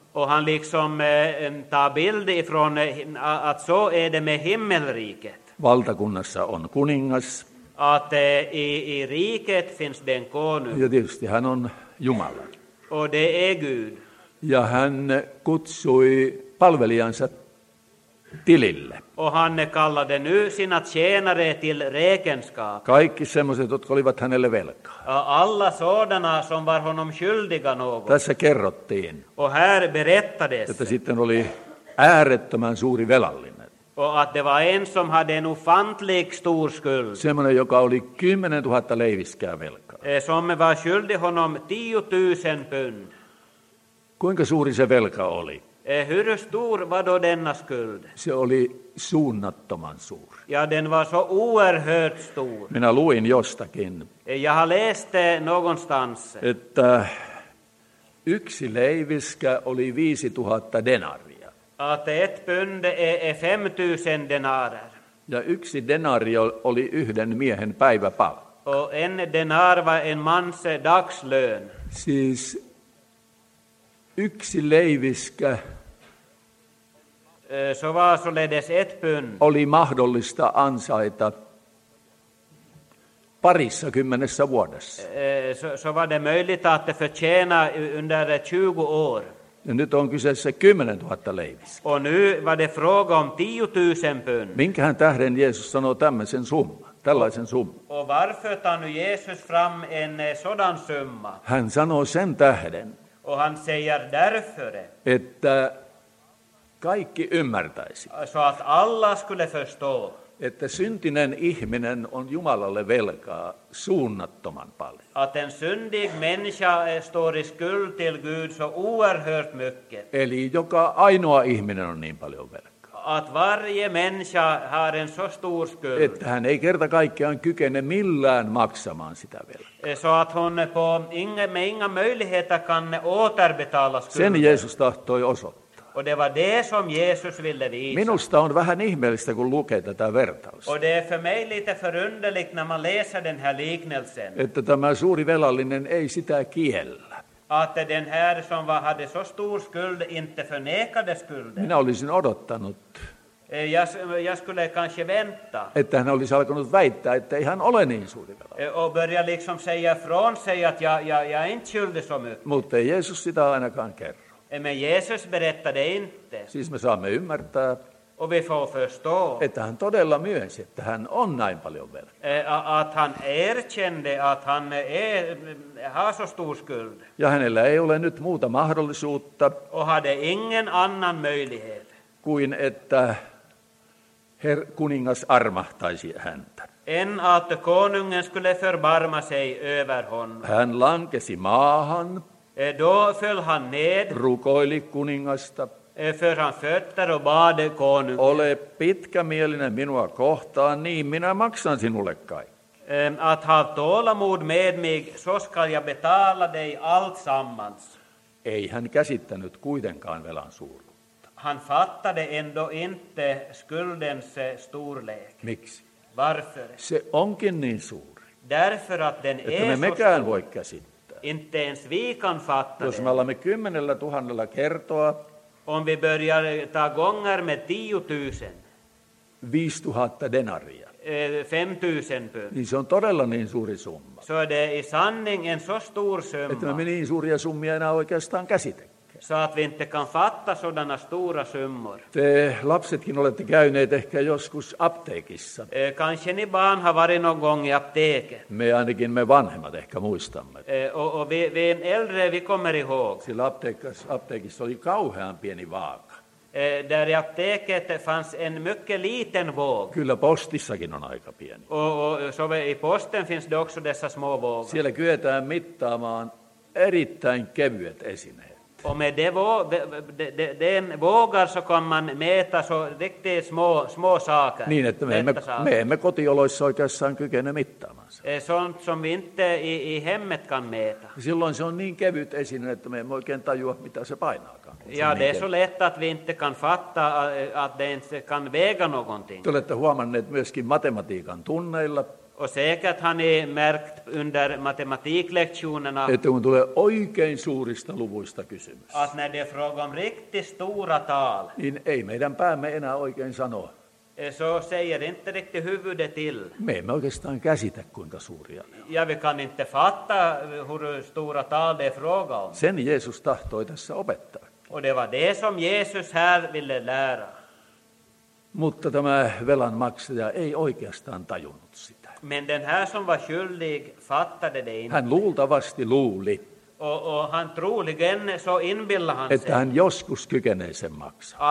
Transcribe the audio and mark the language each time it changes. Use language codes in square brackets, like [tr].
[sv] Och han liksom tar bild ifrån att så är det med himmelriket. [fi] Valtakunnassa on kuningas. [sv] Att i riket finns den konung. [fi] Ja tietysti hän on Jumala. [sv] Och det är Gud. [fi] Ja hän kutsui palvelijansa tilille. [sv] Och han kallade nu sina tjänare till räkenskap. [fi] Kaikki semmoiset, jotka olivat hänelle velkaa. [sv] Alla sådana som var honom skyldiga något. [fi] Tässä kerrottiin. [sv] Och här berättades. [fi] Että sitten oli äärettömän suuri velallinen. [sv] Och att det var en som hade en ofantlig stor skuld. [fi] Semmoinen, joka oli 10 000 leiviskää velkaa. [sv] Som var skyldig honom 10 000 pund. [fi] Kuinka suuri se velka oli? [sv] Hur stor var då denna skuld? [fi] Se oli suunnattoman suuri. [sv] Ja, den var så oerhört stor. [fi] Minä luin jostakin. [sv] Jag har läst någonstans. [fi] Että yksi leiviskä oli 5 000 denaria. [sv] Att ett pund är 5 000 denarer. [fi] Ja yksi denari oli yhden miehen päiväpalkka. [sv] Och en denar var en mans dagslön. [fi] Siis yksi leiviskä [sv] så var således ett pund. [fi] Oli mahdollista ansaita parissa kymmenessä vuodessa. [sv] Så var det möjligt att förtjäna under 20 år. [fi] Ja nyt on kyseessä 10 000 leiviskä. [sv] Och nu var det fråga om 10 000 pund. [fi] Minkähän tähden Jeesus sanoo tämmöisen summan, tällaisen summan? [sv] Och varför tar nu Jeesus fram en sådan summa? [fi] Hän sanoo sen tähden. [sv] Och han säger därför. [fi] Että kaikki ymmärtäisi. [sv] Så att alla skulle förstå. [fi] Että syntinen ihminen on Jumalalle velkaa suunnattoman paljon. [sv] Att en syndig människa står i skuld till Gud så oerhört mycket. [fi] Eli joka ainoa ihminen on niin paljon velkaa. [sv] Att varje människa har en så stor skuld. [fi] Että hän ei kerta kaikkiaan kykene millään maksamaan sitä velkaa. [sv] Så att hon på inga möjligheter kan återbetala skulden. [fi] Sen Jeesus tahtoi osoittaa. [sv] Och det var det som Jesus ville visa. [fi] Minusta on vähän ihmeellistä, kun lukee tätä vertausta. [sv] Och det är för mig lite förunderligt när man läser den här liknelsen. [fi] Että tämä suuri velallinen ei sitä kiellä. [sv] Att den här som var, hade så stor skuld inte förnekade skulden. [fi] Minä olisin odottanut. [sv] Jag skulle kanske vänta. [fi] Että hän olisi alkanut väittää, että ei hän ole niin suuri velallinen. [sv] Och börja liksom säga från sig att jag är inte skyldig så mycket. [fi] Mutta ei Jeesus sitä ainakaan kerro. [sv] Men Jesus berättade inte. [fi] Siis me saamme ymmärtää. [sv] Och vi får förstå. [fi] Että hän todella myönsi, että hän on näin paljon velkaa. [sv] Att han erkände att han har så stor skuld. [fi] Ja hänellä ei ole nyt muuta mahdollisuutta. [sv] Och hade ingen annan möjlighet. [fi] Kuin että kuningas armahtaisi häntä. [sv] En att konungen skulle förbarma sig över honom. [fi] Hän lankesi maahan. [sv] Då föll han ned, [fi] rukoili kuningasta, [sv] för han fötter och bad konungen. [fi] Ole pitkämielinen minua kohtaan, niin minä maksan sinulle kaikki. [sv] Att ha tålamod med mig, så skall jag betala dig allt sammans. [fi] Ei hän käsittänyt kuitenkaan velan suuruutta. [sv] Han fattade ändå inte skuldens storlek. [fi] Miksi? [sv] Varför? [fi] Se onkin niin suuri. [sv] Därför att den är så [fi] mekään voi käsittää. [sv] Inte ens vi kan fatta. [fi] Jos me alamme 10 000 kertoa. [sv] Om vi börjar ta gånger med 10 000. [fi] 5 000 denaria. [sv] 5 000 pund. [fi] Niin se on todella niin suuri summa. [sv] Så det är i sanning en så stor summa. [fi] Että me niin suuria summia enää oikeastaan käsitekään. [sv] Så att vi inte kan fatta sådana stora summor. [fi] Te lapsetkin olette käyneet ehkä joskus apteekissa. [sv] Kanske ni barn har varit någon gång i apteket. [fi] Me ainakin me vanhemmat ehkä muistamme. [sv] Och vi äldre, vi kommer ihåg. [fi] Sillä apteekissa oli kauhean pieni vaaka. [sv] Där i apteket fanns en mycket liten våg. [fi] Kyllä postissakin on aika pieni. [sv] I posten finns det också dessa små vågor. [fi] Siellä kyetään mittaamaan erittäin kevyet esineet. [sv] Och med den vågar så kan man mäta så riktigt små saker. [fi] Niin, että me emme kotioloissa oikeassaan kykene mittaamaan. [sv] Sånt som vi inte i hemmet kan mäta. [fi] Silloin se on niin kevyt esine, että me emme oikein tajua, mitä se painaakaan. [sv] Ja, det är så lätt att vi inte kan fatta, att det inte kan väga någonting. [fi] Te olette huomanneet myöskin matematiikan tunneilla. [sv] Och säkert han är märkt under matematiklektionerna. [fi] Että kun tulee oikein suurista luvuista kysymys. [sv] Att när det är fråga om riktigt stora tal. [fi] Niin ei meidän päämme enää oikein sanoa. [sv] Så säger inte riktigt huvudet till. [fi] Me emme oikeastaan käsitä, kuinka suuria ne [sv] on. Ja vi kan inte fatta, hur stora tal det är fråga om. [fi] Sen Jeesus tahtoi tässä opettaa. [sv] Och det var det som Jesus här ville lära. [fi] Mutta tämä velan maksaja ei oikeastaan tajunnut sitä. [sv] Men den här som var skyldig fattade det inte. [fi] Hän luultavasti luuli. [sv] Och han troligen så inbillade han sig. Att han [fi] joskus kykenee sen maksaa.